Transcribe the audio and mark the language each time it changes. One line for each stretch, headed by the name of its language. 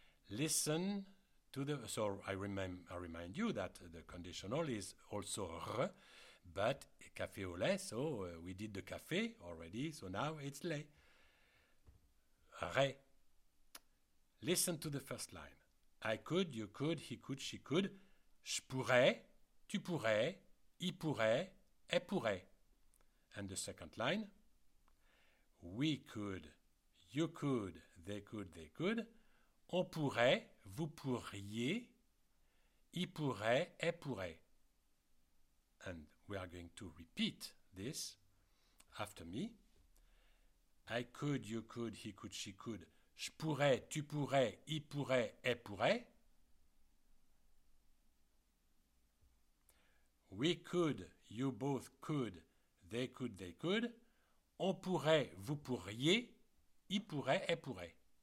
English: Listen to the, so I remind you that the conditional is also r, but café au lait, so we did the café already, so now it's lait. Ré. Listen to the first line. I could, you could, he could, she could.
French: Je pourrais, tu pourrais, il pourrait, elle pourrait.
English: And the second line. We could, you could, they could, they could.
French: On pourrait, vous pourriez, il pourrait, elle pourrait.
English: And we are going to repeat this after me. I could, you could, he could, she could.
French: Je pourrais, tu pourrais, il pourrait, elle pourrait.
English: We could, you both could, they could, they could.
French: On pourrait, vous pourriez, il pourrait, elle pourrait.